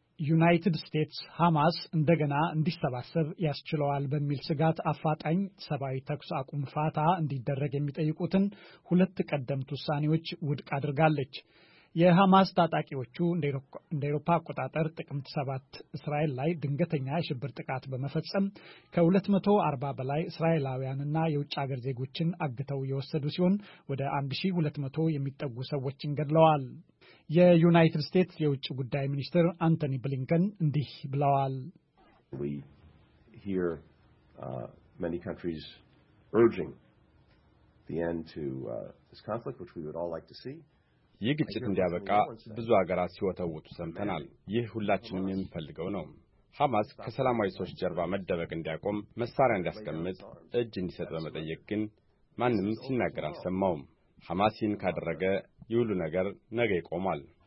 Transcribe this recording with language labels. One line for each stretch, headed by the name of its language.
Amharic: ዩናይትድ ስቴትስ ሐማስ እንደገና እንዲሰባሰብ ያስችለዋል በሚል ስጋት አፋጣኝ ሰብአዊ ተኩስ አቁም ፋታ እንዲደረግ የሚጠይቁትን ሁለት ቀደምት ውሳኔዎች ውድቅ አድርጋለች። የሐማስ ታጣቂዎቹ እንደ አውሮፓ አቆጣጠር ጥቅምት 7 እስራኤል ላይ ድንገተኛ የሽብር ጥቃት በመፈጸም ከ240 በላይ እስራኤላውያንና የውጭ አገር ዜጎችን አግተው የወሰዱ ሲሆን ወደ 1200 የሚጠጉ ሰዎችን ገድለዋል። የዩናይትድ ስቴትስ የውጭ ጉዳይ ሚኒስትር አንቶኒ ብሊንከን እንዲህ ብለዋል።
English: We hear many countries urging the end to this conflict, which we would all like to see.
Amharic: ይግጭት እንዲያበቃ ብዙ ሀገራት ሲወተውቱ ሰምተናል። ይህ ሁላችንም የምንፈልገው ነው። ሐማስ ከሰላማዊ ሰዎች ጀርባ መደበቅ እንዲያቆም መሳሪያ እንዲያስቀምጥ እጅ እንዲሰጥ በመጠየቅ ግን ማንም ሲናገር አልሰማውም። ሐማስን ካደረገ ይሁሉ ነገር ነገ ይቆማል።